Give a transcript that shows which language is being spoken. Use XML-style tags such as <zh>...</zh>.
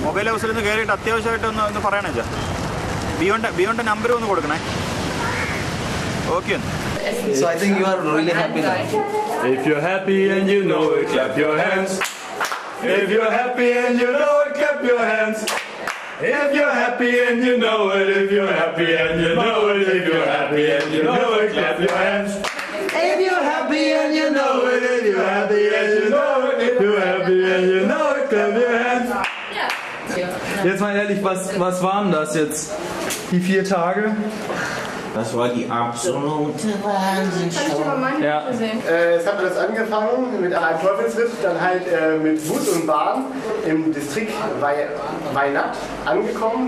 <ml>അത്യാവശ്യമായിട്ട് ഒന്ന് പറയണേ ചാ ബിയോണ്ട നമ്പർ ഒന്ന് കൊടുക്കണേ ഓക്കെ ഒന്ന്</ml> <en>If you're happy and you know it, if you're happy and you know it, if you're happy and you know it, clap your hands. If you're happy and you know it, if you're happy and you know it, if you're happy and you know it, clap your hands.</en> <de>Jetzt mal ehrlich, was waren das jetzt? Die vier Tage? Das war die absolute Wahnsinnsshow. Ja. Jetzt haben wir das angefangen mit einem Teufelsritt, dann halt mit Wut und Bahn im Distrikt Weinat angekommen.</de>